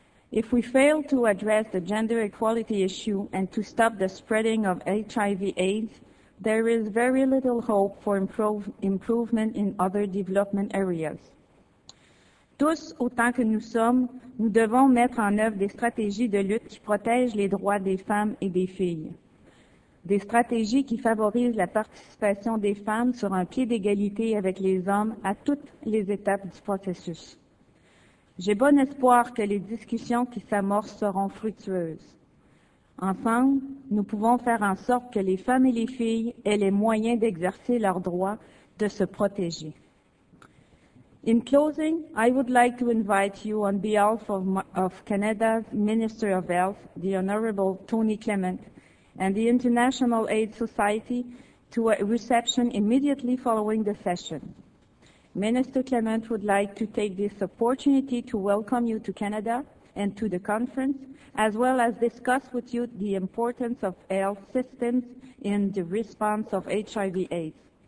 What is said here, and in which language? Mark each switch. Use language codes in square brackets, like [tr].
[en] If we fail to address the gender equality issue and to stop the spreading of HIV/AIDS, there is very little hope for improvement in other development areas. [fr] Tous, autant que nous sommes, nous devons mettre en œuvre des stratégies de lutte qui protègent les droits des femmes et des filles. Des stratégies qui favorisent la participation des femmes sur un pied d'égalité avec les hommes à toutes les étapes du processus. J'ai bon espoir que les discussions qui s'amorcent seront fructueuses. Ensemble, nous pouvons faire en sorte que les femmes et les filles aient les moyens d'exercer leur droit de se protéger. [en] In closing, I would like to invite you on behalf of Canada's Minister of Health, the Honorable Tony Clement, and the International AIDS Society to a reception immediately following the session. Minister Clement would like to take this opportunity to welcome you to Canada and to the conference, as well as discuss with you the importance of health systems in the response of HIV/AIDS.